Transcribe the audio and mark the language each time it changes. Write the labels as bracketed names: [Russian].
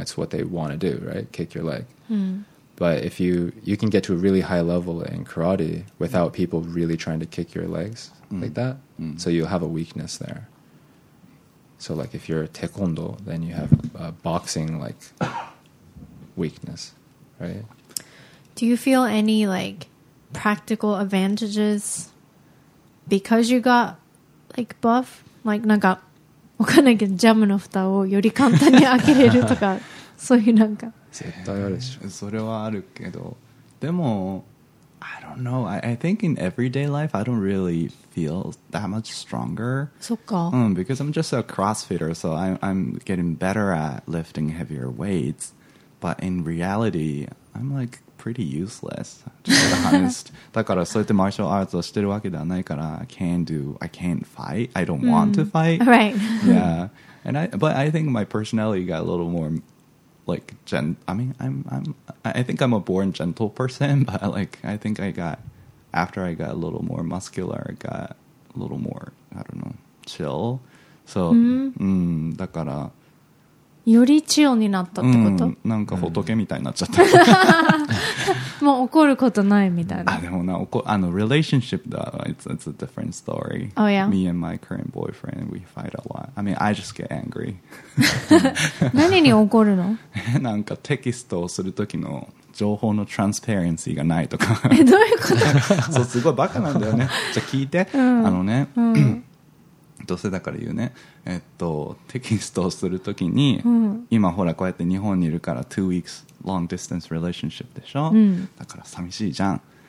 [English] It's what they want to do, right? Kick your leg. But if you can get to a really high level in karate without people really trying to kick your legs like that, so you'll have a weakness there. So like if you're a taekwondo, then you have a boxing like weakness, right? Do you feel any like practical advantages because you got like buff? [Japanese] Like, なんか、わかんないけど、ジャムの蓋をより簡単に開けれるとか、そういうなんか。絶対あるでしょ。それはあるけど、でも、 [English] I don't know. I think in everyday life, I don't really feel that much stronger. [Japanese] そっか。 [English] Because I'm just a CrossFitter, so I'm getting better at lifting heavier weights. But in reality, I'm like... pretty useless, to be honest. [Japanese] だからそうやってマーシャルアーツをしてるわけではないから [English] I can't fight. I don't want to fight. Right. Yeah. And but I think my personality got a little more like I think I'm a born gentle person, but like I think after I got a little more muscular, I got a little more, I don't know, chill. [Japanese] So, だからより chill になったってこと、なんか仏みたいになっちゃった。もう怒ることないみたいな。あ、でもな、 [English] relationship though, it's a different story. Oh, yeah? Me and my current boyfriend, we fight a lot. I mean, I just get angry. [Japanese] 何に怒るの？なんかテキストをするときの情報のトランスパレンシーがないとか。え、どういうこと？そう、すごいバカなんだよね。じゃあ聞いて。うん、あのね。うんどうせだから言うね、テキストをするときに、今ほらこうやって日本にいるから [English] 2 weeks long distance relationship [Japanese] でしょ、だから寂しいじゃん。